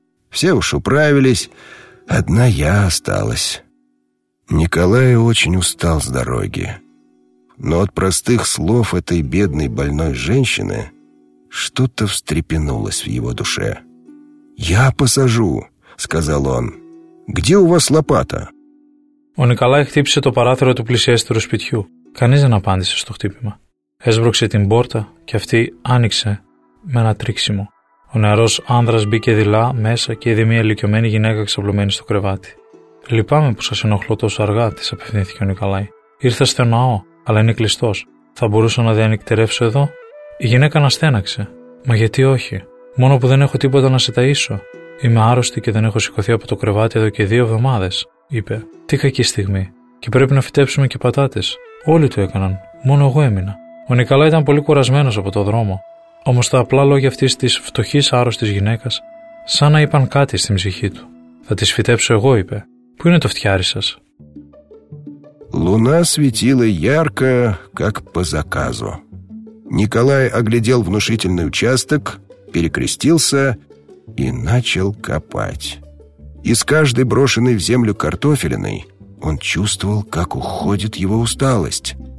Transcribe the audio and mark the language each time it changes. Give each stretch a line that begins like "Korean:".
Russian: Все уж управились, одна я осталась». Николай очень устал с дороги, но от простых слов этой бедной больной женщины что-то встрепенулось в его душе. «Я посажу», — сказал он. «Где у вас лопата?»
Greek: Ο Νικολάη χτύπησε το παράθυρο του πλησιέστερου σπιτιού. Κανείς δεν απάντησε στο χτύπημα. Έσβρωξε την πόρτα και αυτή άνοιξε με ένα τρίξιμο. Ο νεαρός άνδρας μπήκε δειλά μέσα και είδε μια ηλικιωμένη γυναίκα ξαπλωμένη στο κρεβάτι. «Λυπάμαι που σας ενοχλώ τόσο αργά», της απευθύνθηκε ο Νικολάη. «Ήρθα στο ναό, αλλά είναι κλειστός. Θα μπορούσα να διανυκτερεύσω εδώ?» Η γυναίκα αναστέναξε. «Μα γιατί όχι? Μόνο που δεν έχω τίποτα να σε ταΐσω. Είμαι άρρωστη και δεν έχω σηκωθεί από το κρεβάτι εδώ και 2 εβδομάδες», είπε. «Τι κακή στιγμή. Και πρέπει να φυτέψουμε και πατάτες. Όλοι το έκαναν. Μόνο εγώ έμεινα». Ο Νικολάη ήταν πολύ κουρασμένος από το δρόμο. Όμως τα απλά λόγια αυτής της φτωχής άρρωστης γυναίκας, σαν να είπαν κάτι στην ψυχή του. «Θα τις φυτέψω εγώ», είπε. «Πού είναι το φτιάρι σας?»
Russian: Луна светила ярко, как по заказу. Николай оглядел внушительный участок, перекрестился и начал копать. Из каждой брошенной в землю картофелиной он чувствовал, как уходит его усталость.